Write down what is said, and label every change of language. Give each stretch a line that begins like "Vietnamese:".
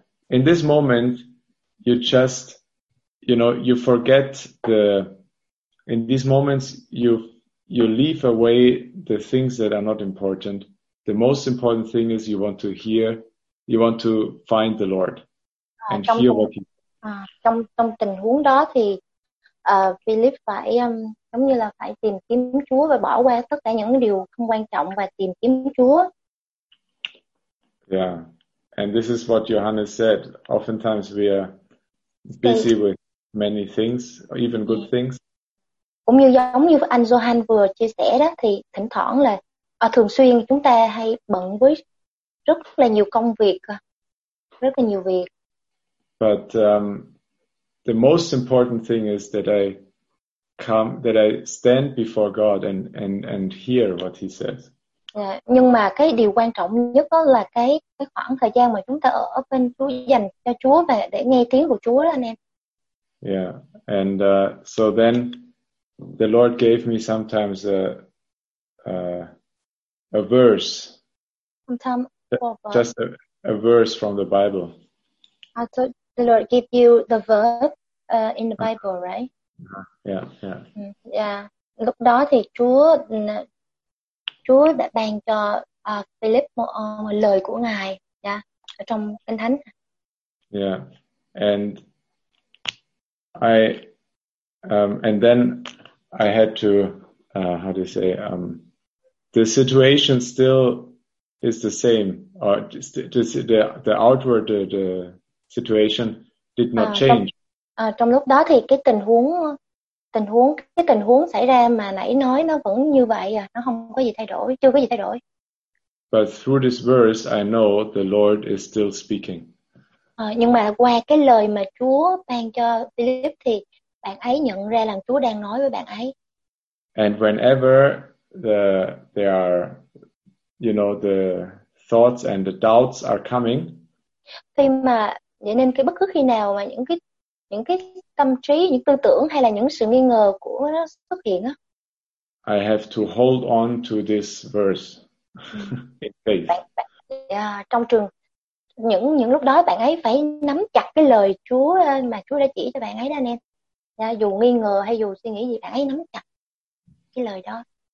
English: In this moment, you just, you know, you forget the. In these moments, you leave away the things that are not important. The most important thing is you want to find the Lord and hear what He.
Vietnamese: Trong tình huống đó thì Philip phải giống như là phải tìm kiếm Chúa và bỏ qua tất cả những điều không quan trọng và tìm kiếm Chúa.
English: Yeah, and this is what Johannes said. Oftentimes we are busy with many things, even good things.
Vietnamese: Cũng như giống như anh Johan vừa chia sẻ đó, thì thỉnh thoảng là thường xuyên chúng ta hay bận với rất là nhiều công việc, rất là nhiều việc.
English: But the most important thing is that I come, that I stand before God and hear what He says.
Vietnamese: Nhưng mà cái điều quan trọng nhất đó là cái khoảng thời gian mà chúng ta ở bên Chúa, dành cho Chúa và để nghe tiếng của Chúa đó anh em.
English: Yeah, and so then the Lord gave me sometimes a verse. Just a verse from the Bible. So the Lord gave you the verse in the Bible, right? Yeah, yeah.
Vietnamese: Yeah, lúc đó thì Chúa đã ban cho Philip một lời của Ngài, trong Kinh Thánh.
English: Yeah, and I had to, the situation still is the same, or just the outward the situation did not change.
Vietnamese: Trong lúc đó thì cái tình huống xảy ra mà nãy nói nó vẫn như vậy à, nó không có gì thay đổi, chưa có gì thay đổi.
English: But through this verse, I know the Lord is still speaking.
Vietnamese: Nhưng mà qua cái lời mà Chúa ban cho Philip thì bạn ấy nhận ra là Chúa đang nói với bạn ấy.
English: And whenever there are, you know, the thoughts and the doubts are coming.
Vietnamese: Khi mà vậy nên cái bất cứ khi nào mà những cái tâm trí, những tư tưởng hay là những sự nghi ngờ của nó xuất hiện á.
English: I have to hold on to this verse in faith.
Vietnamese: Trong trường những lúc đó bạn ấy phải nắm chặt cái lời Chúa mà Chúa đã chỉ cho bạn ấy đó anh em. Dù nghi ngờ hay dù suy nghĩ gì bạn ấy nắm chặt cái lời đó.